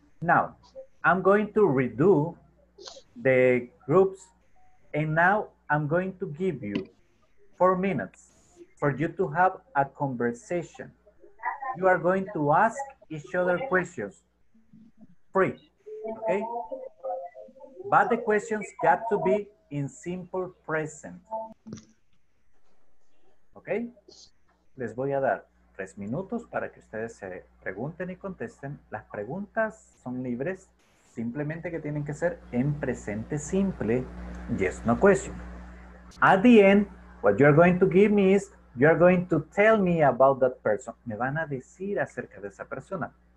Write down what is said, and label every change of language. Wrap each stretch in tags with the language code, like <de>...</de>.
<en>Now, I'm going to redo the groups, and now I'm going to give you 4 minutes for you to have a conversation. You are going to ask each other questions, free, okay? But the questions got to be in simple present, okay?</en> <es>Les voy a dar 3 minutos para que ustedes se pregunten y contesten. Las preguntas son libres, simplemente que tienen que ser en presente simple, yes, no question.</es> <en>At the end, what you're going to give me is, you're going to tell me about that person.</en> <es>Me van a decir acerca de esa persona.</es>